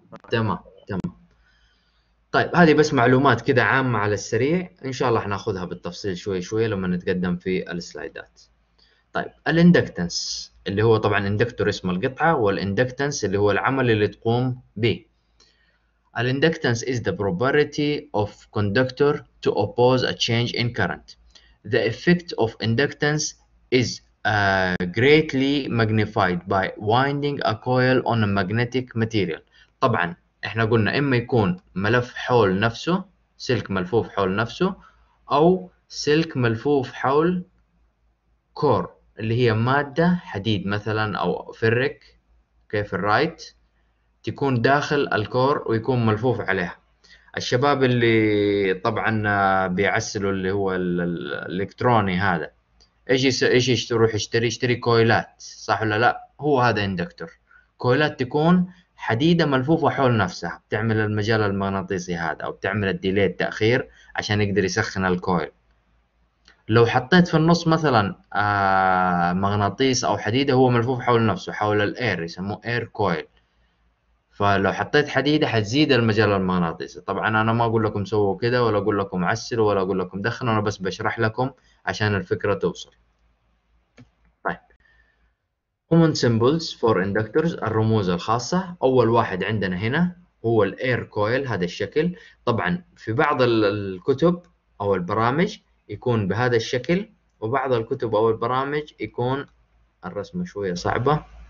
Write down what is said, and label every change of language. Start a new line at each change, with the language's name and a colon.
Arabic: تمام تمام. طيب هذه بس معلومات كذا عامة على السريع، إن شاء الله حناخذها بالتفصيل شوي شوي لما نتقدم في السلايدات. طيب الاندكتنس اللي هو طبعا اندكتور اسم القطعة، والاندكتنس اللي هو العمل اللي تقوم به.
English: الاندكتنس is the property of conductor to oppose a change in current. The effect of inductance is greatly magnified by winding a coil on a magnetic material.
Arabic: طبعا احنا قلنا اما يكون ملف حول نفسه، سلك ملفوف حول نفسه، او سلك ملفوف حول كور اللي هي ماده حديد مثلا او فرك، كيف الرايت تكون داخل الكور ويكون ملفوف عليها. الشباب اللي طبعا بيعسلوا اللي هو الالكتروني هذا، ايش يروح يشتري كويلات، صح ولا لا؟ هو هذا اندكتور، كويلات تكون حديدة ملفوفة حول نفسها، بتعمل المجال المغناطيسي هذا أو بتعمل الديلي التأخير عشان يقدر يسخن الكويل. لو حطيت في النص مثلا مغناطيس أو حديدة، هو ملفوف حول نفسه، حول الاير، يسموه اير كويل. فلو حطيت حديدة حتزيد المجال المغناطيسي. طبعا أنا ما أقول لكم سووا كده، ولا أقول لكم عسلوا، ولا أقول لكم دخنوا، أنا بس بشرح لكم عشان الفكرة توصل.
English: Common symbols for inductors،
Arabic: الرموز الخاصة. أول واحد عندنا هنا هو الاير كويل، هذا الشكل. طبعا في بعض الكتب أو البرامج يكون بهذا الشكل، وبعض الكتب أو البرامج يكون الرسمة شوية صعبة.